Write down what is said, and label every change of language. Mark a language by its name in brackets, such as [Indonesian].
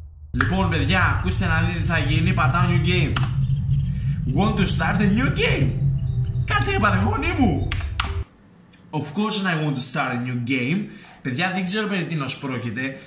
[Greek] Λοιπόν, παιδιά, ακούστε να δείτε τι θα γίνει. Πατάω [English] new game. Want to start a new game? [Greek] Κάτι έπαθε, φωνή μου. [English] Of course I want to start a new game. [Greek] Παιδιά, δεν ξέρω περί τίνος πρόκειται.